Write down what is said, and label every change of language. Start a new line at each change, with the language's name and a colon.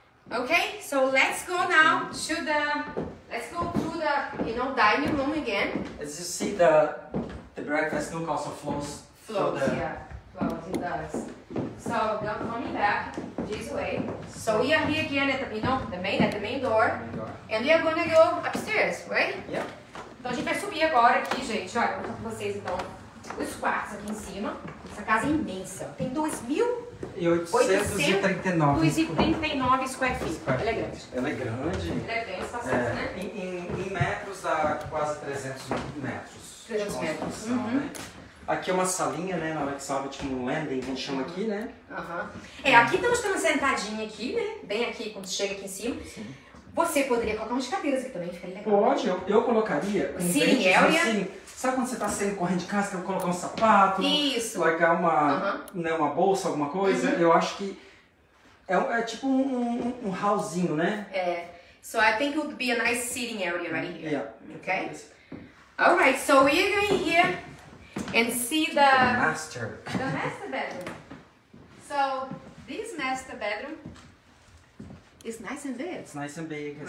English: Okay, so let's go now to the, let's go to the, you know, dining room again. As you see, the breakfast nook also flows. Flows, the... yeah, flows, it does. So, don't call me back this way. So, we are here again at the, you know, the main door. And we are going to go upstairs, right? Yeah.
Portuguese: Então, a gente vai subir agora aqui, gente. Olha, vou mostrar pra vocês, então, os quartos aqui em cima. Essa casa é imensa. Tem 2.839 square feet. Ela é grande. Em metros, há quase 300 metros. Né? Aqui é uma salinha, né? Na hora que sobe, tipo um landing, a gente chama aqui, né? É, aqui estamos tendo sentadinha aqui, né? Bem aqui, quando chega aqui em cima. Sim. Você poderia colocar umas cadeiras aqui também, ficaria legal. Pode, eu colocaria. Sim, assim. Sabe quando você tá saindo correndo de casa, quer colocar um sapato, isso. largar uma, né, uma bolsa, alguma coisa? Uhum. Eu acho que é tipo um hallzinho, né? É.
English: So I think it would be a nice sitting area right here. Yeah. Okay? All right, so we are going here and see the master. The master bedroom. So this master bedroom is nice and big. It's nice and big. It's